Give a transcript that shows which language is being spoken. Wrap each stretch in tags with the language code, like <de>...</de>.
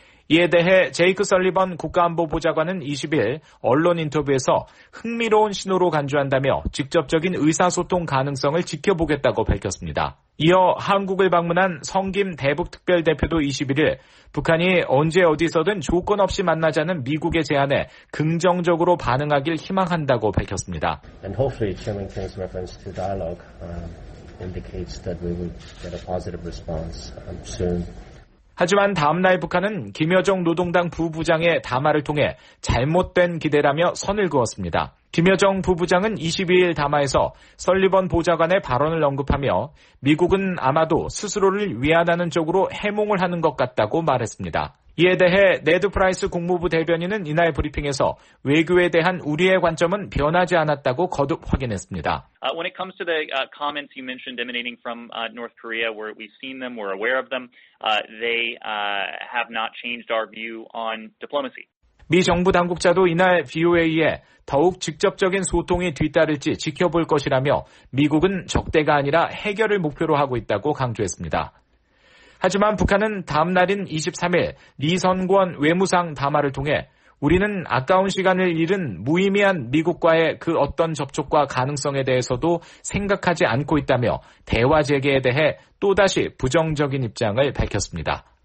<ko>이에 대해 제이크 설리번 국가안보보좌관은 20일 언론 인터뷰에서 흥미로운 신호로 간주한다며 직접적인 의사소통 가능성을 지켜보겠다고 밝혔습니다. 이어 한국을 방문한 성 김 대북특별대표도 21일 북한이 언제 어디서든 조건 없이 만나자는 미국의 제안에 긍정적으로 반응하길 희망한다고 밝혔습니다.</ko> <en>And hopefully Chairman Kim's reference to dialogue indicates that we will get a positive response soon.</en> <ko>하지만 다음 날 북한은 김여정 노동당 부부장의 담화를 통해 잘못된 기대라며 선을 그었습니다. 김여정 부부장은 22일 담화에서 설리번 보좌관의 발언을 언급하며 미국은 아마도 스스로를 위안하는 쪽으로 해몽을 하는 것 같다고 말했습니다. 이에 대해 네드 프라이스 국무부 대변인은 이날 브리핑에서 외교에 대한 우리의 관점은 변하지 않았다고 거듭 확인했습니다.</ko> <en>When it comes to the comments you mentioned emanating from North Korea, where we've seen them, we're aware of them, they have not changed our view on diplomacy.</en> <ko>미 정부 당국자도 이날 VOA에 더욱 직접적인 소통이 뒤따를지 지켜볼 것이라며 미국은 적대가 아니라 해결을 목표로 하고 있다고 강조했습니다. 하지만 북한은 다음 날인 23일 리선권 외무상 담화를 통해 우리는 아까운 시간을 잃은 무의미한 미국과의 그 어떤 접촉과 가능성에 대해서도 생각하지 않고 있다며 대화 재개에 대해 또다시 부정적인 입장을 밝혔습니다.</ko>